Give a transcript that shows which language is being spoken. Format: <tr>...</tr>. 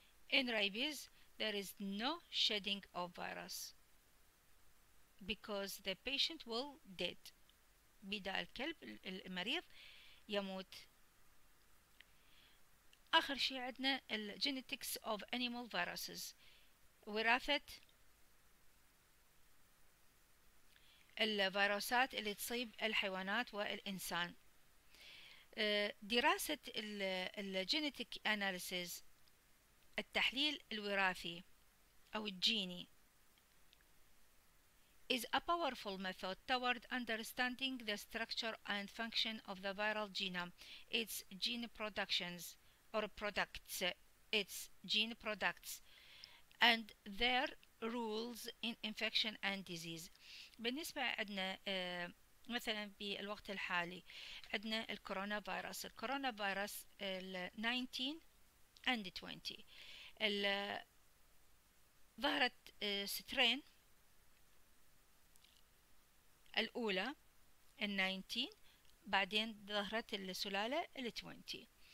<en>In rabies, there is no shedding of virus because the patient will dead.</en> <ar>بيداء الكلب المريض يموت. آخر شيء عندنا الـ</ar> <en>genetics of animal viruses.</en> <ar>وراثة الفيروسات اللي تصيب الحيوانات والإنسان. دراسة الـ</ar> <en>genetic analysis</en> <ar>التحليل الوراثي أو الجيني</ar> <en>is a powerful method toward understanding the structure and function of the viral genome, its gene productions or products, its gene products, and their rules in infection and disease.</en> <ar>بالنسبة عندنا مثلا بالوقت الحالي عندنا الكورونا فيروس, الكورونا فيروس 19 and 20 ظهرت سترين الأولى ال 19 بعدين ظهرت السلالة ال 20.</ar>